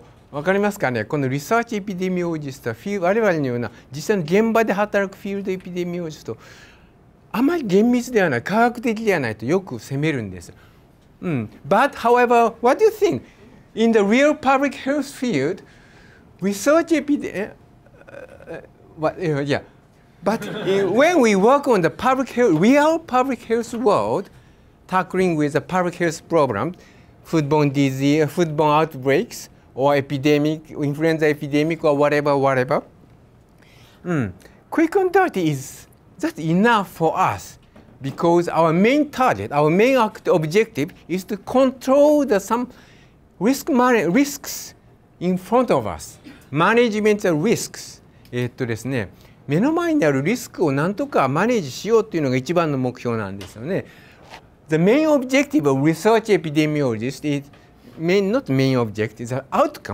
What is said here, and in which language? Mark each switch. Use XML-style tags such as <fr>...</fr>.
<ja>わかりますかね、このリサーチエピデミオロジスト、我々のような実際の現場で働くフィールドエピデミオロジスト、あまり厳密ではない、科学的ではないとよく責めるんです。</ja> <en>But however, what do you think? In the real public health field, research But when we work on the public health, real public health world,tackling with the public health problem, foodborne disease, foodborne outbreaks, or epidemic, influenza epidemic, or whatever. Quick and dirty is just enough for us, because our main target, our main objective is to control some risks in front of us. Management of risks.</en> <ja>ですね、目の前にあるリスクをなんとかマネージしようというのが一番の目標なんですよね。</ja> <en>The main objective of research epidemiologist is the outcome.</en>